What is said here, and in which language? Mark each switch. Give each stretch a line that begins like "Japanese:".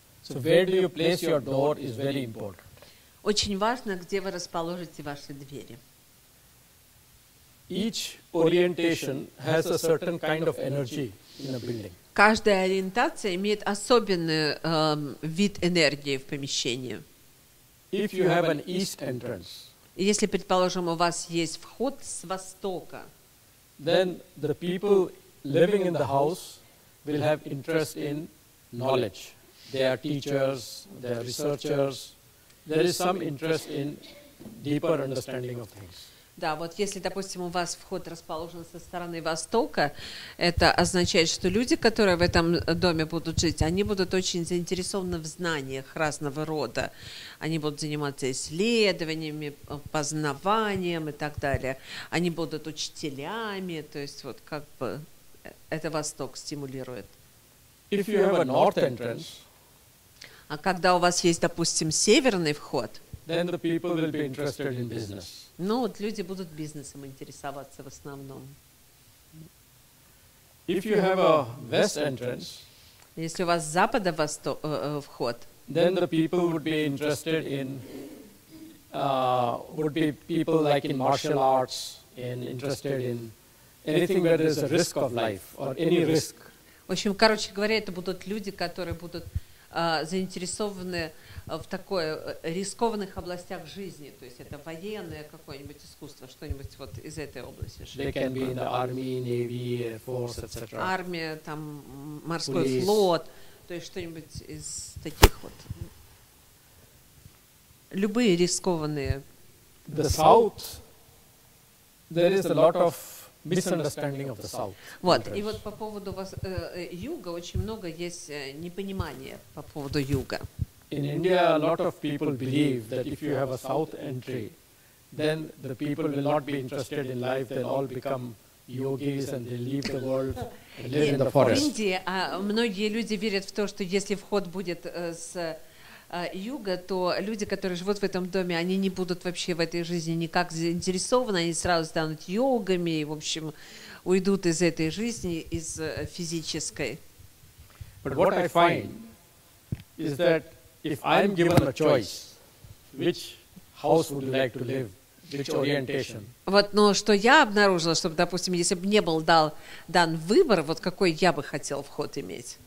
English: So where do you place your door is very important.
Russian: Очень важно, где вы расположите ваши двери.
English: Each orientation has a certain kind of energy in a building.
Russian: Каждая ориентация имеет особенный вид энергии в помещении.
English: If you have an east entrance.
Russian: Если, предположим, у вас есть вход с востока,
English: then the people living in the house will have interest in knowledge. They are teachers, they are researchers. There is some interest in deeper understanding of things.
Russian: Да, вот если, допустим, у вас вход расположен со стороны востока, это означает, что люди, которые в этом доме будут жить, они будут очень заинтересованы в знаниях разного рода. Они будут заниматься исследованиями, познаванием и так далее. Они будут учителями, то есть вот как бы это восток стимулирует.
English: If you have a north entrance,
Russian: а когда у вас есть, допустим, северный вход,
English: then the people will be interested in business.
Russian: Ну, вот люди будут бизнесом интересоваться в основном.
English: If you have a west entrance,
Russian: если у вас с запада вход,
English: then the people would be interested in would be people like in martial arts, and interested in anything where there is a risk of life or any risk.
Russian: В общем, короче говоря, это будут люди, которые будут заинтересованы в такой рискованных областях жизни, то есть это военное какое-нибудь искусство, что-нибудь вот из этой области.
English: They can be in the army, navy, force, etc.
Russian: Армия, там морской Police. Флот, то есть что-нибудь из таких вот. Любые рискованные.
English: The South. There is a lot of misunderstanding of the South.
Russian: Вот и вот по поводу вас, юга очень много есть непонимания по поводу юга.
English: In India, a lot of people believe that if you have a south entry, then the people will not be interested in life. They'll all become yogis and they leave the world and live in the forest.
Russian: В Индии многие люди верят в то, что если вход будет с юга, то люди, которые живут в этом доме, они не будут вообще в этой жизни никак заинтересованы. Они сразу станут йогами и, в общем, уйдут из этой жизни, из физической.
English: But what I find is that if I'm given a choice, which house would you like to live, which orientation?
Russian: Вот, но что я обнаружила, что, допустим, если бы мне был дан выбор, вот какой я бы хотел вход иметь?